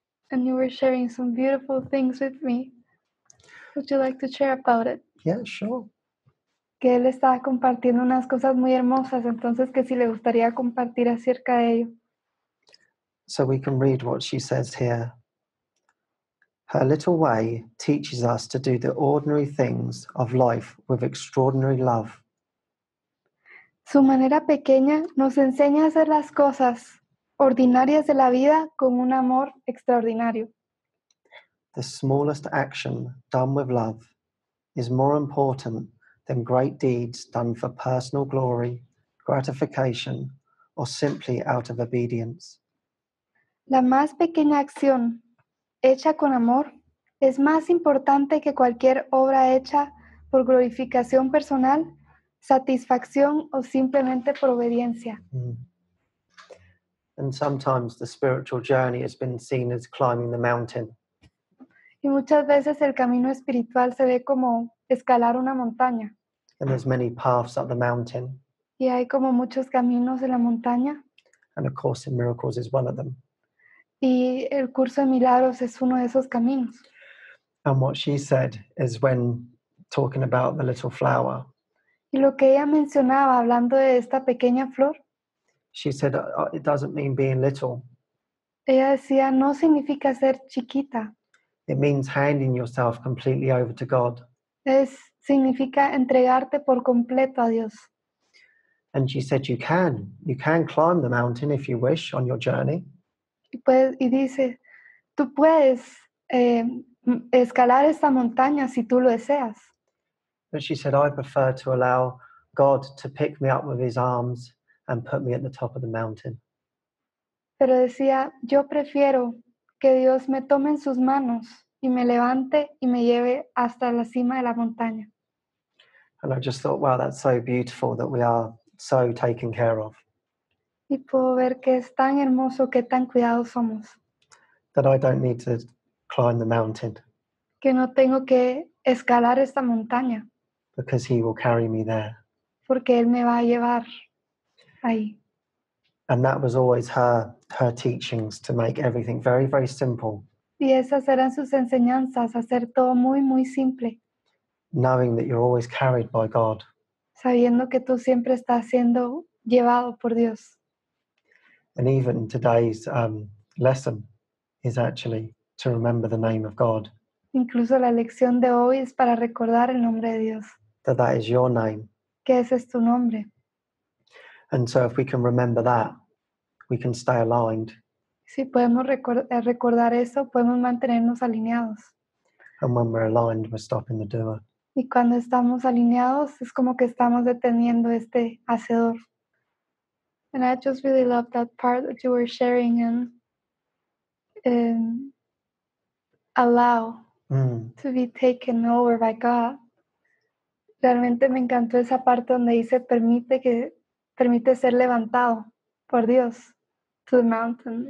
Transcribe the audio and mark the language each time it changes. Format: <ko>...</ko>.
<en>And you were sharing some beautiful things with me. Would you like to share about it? Yeah, sure.</en> <es>Que él estaba compartiendo unas cosas muy hermosas, entonces que si le gustaría compartir acerca de ello.</es> <en>So we can read what she says here. Her little way teaches us to do the ordinary things of life with extraordinary love.</en> <es>Su manera pequeña nos enseña a hacer las cosas ordinarias de la vida con un amor extraordinario.</es> <en>The smallest action done with love is more important than great deeds done for personal glory, gratification, or simply out of obedience.</en> <es>La más pequeña acción hecha con amor es más importante que cualquier obra hecha por glorificación personal, satisfacción o simplemente por obediencia.</es> <en>And sometimes the spiritual journey has been seen as climbing the mountain.</en> <es>Y muchas veces el camino espiritual se ve como escalar una montaña.</es> <en>And there's many paths up the mountain.</en> <es>Y hay como muchos caminos en la montaña.</es> <en>And of course, in miracles is one of them.</en> <es>Y el curso de milagros es uno de esos caminos.</es> <en>And what she said is when talking about the little flower.</en> <es>Y lo que ella mencionaba hablando de esta pequeña flor.</es> <en>She said it doesn't mean being little.</en> <es>Ella decía no significa ser chiquita.</es> <en>It means handing yourself completely over to God.</en> <es>Es significa entregarte por completo a Dios.</es> <en>And she said you can climb the mountain if you wish on your journey.</en> <es>Y dice, tú puedes escalar esta montaña si tú lo deseas.</es> <en>But she said, I prefer to allow God to pick me up with his arms and put me at the top of the mountain.</en> <es>Pero decía, yo prefiero que Dios me tome en sus manos y me levante y me lleve hasta la cima de la montaña.</es> <en>And I just thought, wow, that's so beautiful that we are so taken care of.</en> <es>Y puedo ver que es tan hermoso, que tan cuidados somos.</es> <en>That I don't need to climb the mountain.</en> <es>Que no tengo que escalar esta montaña.</es> <en>Because he will carry me there.</en> <es>Porque él me va a llevar ahí.</es> <en>And that was always her teachings, to make everything very, very simple.</en> <es>Y esas eran sus enseñanzas, hacer todo muy, muy simple.</es> <en>Knowing that you're always carried by God.</en> <es>Sabiendo que tú siempre estás siendo llevado por Dios.</es> <en>And even today's lesson is actually to remember the name of God.</en> <es>Incluso la lección de hoy es para recordar el nombre de Dios.</es> <en>That is your name.</en> <es>Que ese es tu nombre.</es> <en>And so if we can remember that, we can stay aligned.</en> <es>Si podemos recordar eso, podemos mantenernos alineados.</es> <en>And when we're aligned, we're stopping the doer.</en> <es>Y cuando estamos alineados, es como que estamos deteniendo este hacedor.</es> <en>And I just really love that part that you were sharing and allow to be taken over by God.</en> <es>Realmente me encantó esa parte donde dice permite ser levantado por Dios</es> <en>to the mountain.</en>